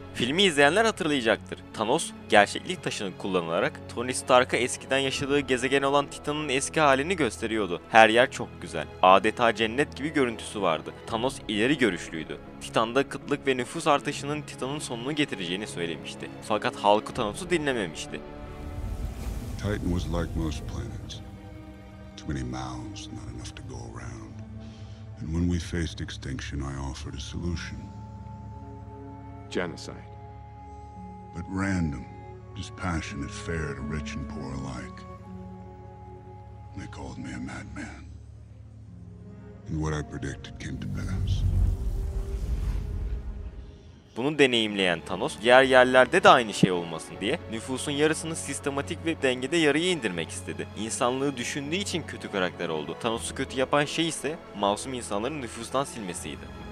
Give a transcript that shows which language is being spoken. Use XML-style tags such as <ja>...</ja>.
<tr>Filmi izleyenler hatırlayacaktır. Thanos, gerçeklik taşını kullanarak Tony Stark'a eskiden yaşadığı gezegen olan Titan'ın eski halini gösteriyordu. Her yer çok güzel. Adeta cennet gibi görüntüsü vardı. Thanos ileri görüşlüydü. Titan'da kıtlık ve nüfus artışının Titan'ın sonunu getireceğini söylemişti. Fakat halkı Thanos'u dinlememişti.</tr> <en>Titan was like most planets. Too many mouths, not enough to go around. And when we faced extinction, I offered a solution. Genocide. But random, dispassionate, fair to rich and poor alike. They called me a madman. And what I predicted came to pass.</en> <tr>Bunu deneyimleyen Thanos, diğer yerlerde de aynı şey olmasın diye nüfusun yarısını sistematik ve dengede yarıya indirmek istedi. İnsanlığı düşündüğü için kötü karakter oldu. Thanos'u kötü yapan şey ise masum insanların nüfustan silmesiydi.</tr>